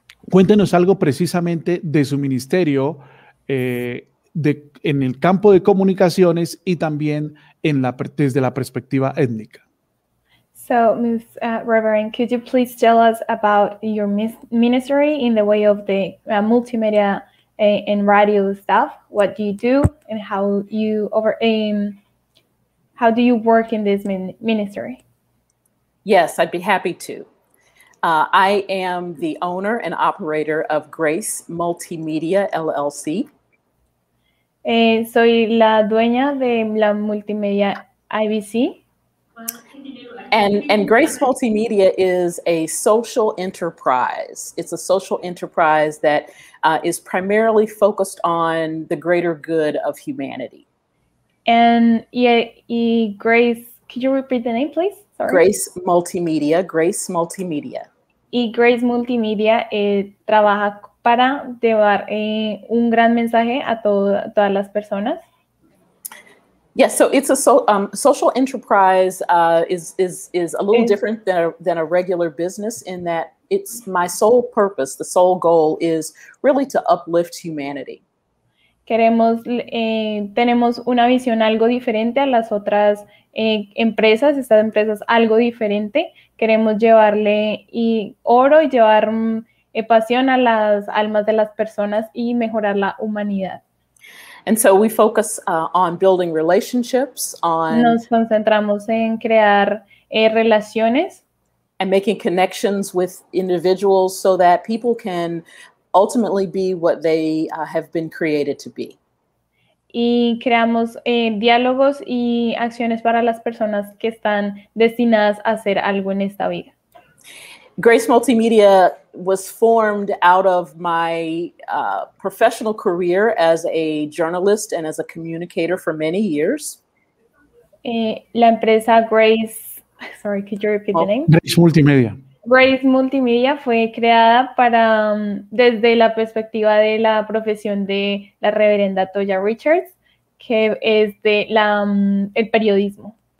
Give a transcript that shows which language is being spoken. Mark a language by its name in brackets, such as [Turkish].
[Spanish] Cuéntenos algo precisamente de su ministerio en el campo de comunicaciones y también en desde la perspectiva étnica. [English] So, Ms. Reverend, could you please tell us about your ministry in the way of the multimedia and radio stuff? What do you do and how do you work in this ministry? Yes, I'd be happy to. I am the owner and operator of Grace Multimedia, LLC. [Spanish] Soy la dueña de la Multimedia IBC. [English] And Grace Multimedia is a social enterprise. It's a social enterprise that is primarily focused on the greater good of humanity. And Grace, could you repeat the name, please? Sorry. Grace Multimedia. [Spanish] Y Grace Multimedia trabaja para llevar un gran mensaje a todas las personas. [English] Yes, so it's a social enterprise is a little different than a regular business in that it's my sole purpose, the sole goal is really to uplift humanity. [Spanish] Tenemos una visión algo diferente a las otras empresas. Esta empresa es algo diferente. Queremos llevarle oro y llevar pasión a las almas de las personas y mejorar la humanidad. [English] And so we focus on building relationships, on [Spanish] nos concentramos en crear relaciones [English] and making connections with individuals so that people can ultimately be what they have been created to be. [Spanish] Y creamos diálogos y acciones para las personas que están destinadas a hacer algo en esta vida. [English] Grace Multimedia was formed out of my professional career as a journalist and as a communicator for many years. [Spanish] La empresa Grace, [English] sorry, could you repeat the name? Grace Multimedia. [Spanish] Grace Multimedia fue creada para desde la perspectiva de la profesión de la reverenda Toya Richards, que es de la el periodismo.